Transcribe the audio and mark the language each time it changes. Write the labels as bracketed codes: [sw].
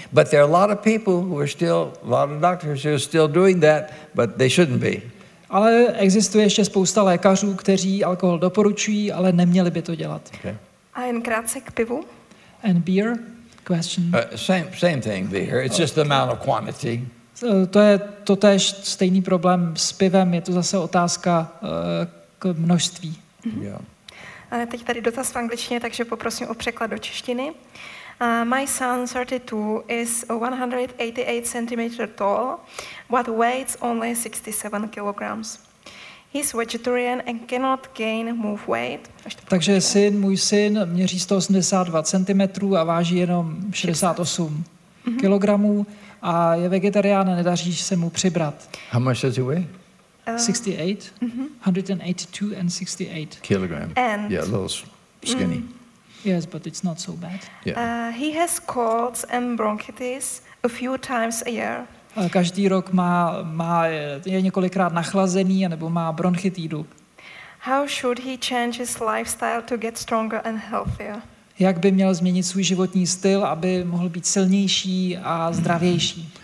[en] But there are a lot of people who are still, a lot of doctors who are still doing that, but they shouldn't be. [cs] Ale existuje ještě spousta lékařů, kteří alkohol doporučují, ale neměli by to dělat. Okay. A jen krátce k pivu. [en] And beer? Question. Same thing, beer. It's just the amount of quantity. [cs] To je totéž stejný problém s pivem. Je to zase otázka k množství. Mm-hmm. Yeah. A teď tady dotaz v angličtině, takže poprosím o překlad do češtiny. [en] My son, 32, is 188 centimeters tall, but weighs only 67 kilograms. He's vegetarian and cannot gain move weight. [cs] Takže můj syn měří 182 centimetrů a váží jenom 68 kilogramů a je vegetarián a nedaří se mu přibrat. [en] How much does he weigh? 68. Mm-hmm. 182 and 68. Kilogram. And yeah, a little skinny. Mm-hmm. Yes, but it's not so bad. He has colds and bronchitis a few times a year. [cs] Každý rok je několikrát nachlazený nebo má bronchitídu. [en] How should he change his lifestyle to get stronger and healthier? [cs] Jak by měl změnit svůj životní styl, aby mohl být silnější a zdravější?